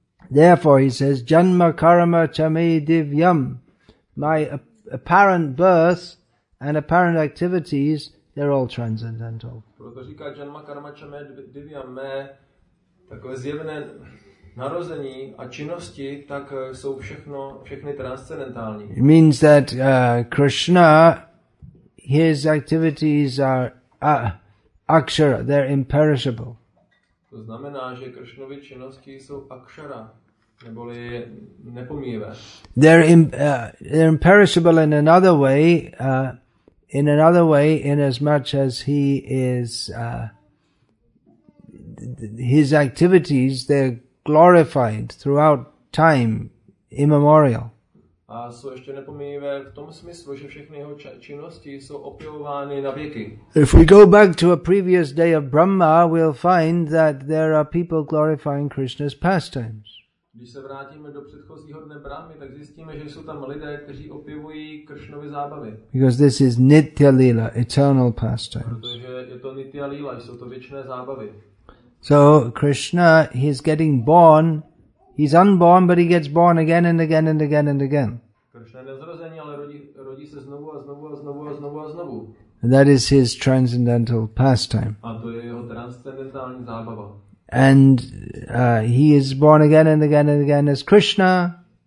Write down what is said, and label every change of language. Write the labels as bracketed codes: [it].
[en] Therefore, he says, [sa] "Janma karma chame divyam." [en] My apparent birth and apparent activities—they're all transcendental. [cs] Proto říká [sa] janma karma chame divyam. [cs] Mé takové zjevné narození a činnosti tak jsou všechny transcendentální. [en] It means that Krishna, his activities are akshara; they're imperishable. [cs] To znamená, že Krishnovy činnosti jsou akshara. Neboli nepomíjivé. [en] They're imperishable in another way. In another way, in as much as he is, his activities, they're glorified throughout time, immemorial. [cs] A jsou ještě nepomíjivé v tom smyslu, že všechny jeho činnosti jsou opěvovány na věky. [en] If we go back to a previous day of Brahma, we'll find that there are people glorifying Krishna's pastimes. [cs] Když se vrátíme do předchozího dne Brahmy, tak zjistíme, že jsou tam lidé, kteří opěvují Kršnovy zábavy. [en] Because this is nitya lila, eternal pastime. [cs] Protože je to nitya lila, jsou to věčné zábavy. [en] So Krishna, he's getting born. He's unborn, but he gets born again and again and again and again. [cs] Kršna je nezrozený, ale rodí se znovu a znovu a znovu a znovu a znovu. [en] And that is his transcendental pastime. [cs] A to je jeho transcendentální zábava. [en] And he is born again and again and again as Krishna.